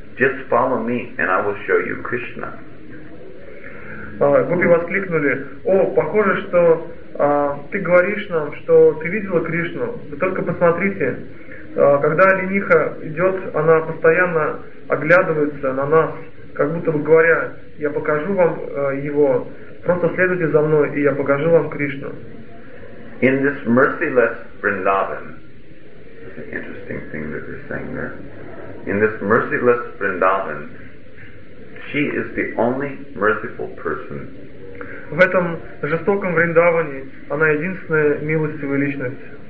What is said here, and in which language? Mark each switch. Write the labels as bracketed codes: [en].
[en] Just follow me and I will show you Krishna. [ru] Гопи воскликнули, о, похоже, что ты говоришь нам, что ты видела Кришну. Вы только посмотрите. Когда олениха идет, она постоянно оглядывается на нас, как будто бы говоря, я покажу вам его, просто следуйте за мной, и я покажу вам Кришну. [en] In this merciless Vrindavan, that's an interesting thing that they're saying there. In this merciless Vrindavan, she is the only merciful person. [ru] В этом жестоком Вриндаване она единственная милостивая личность.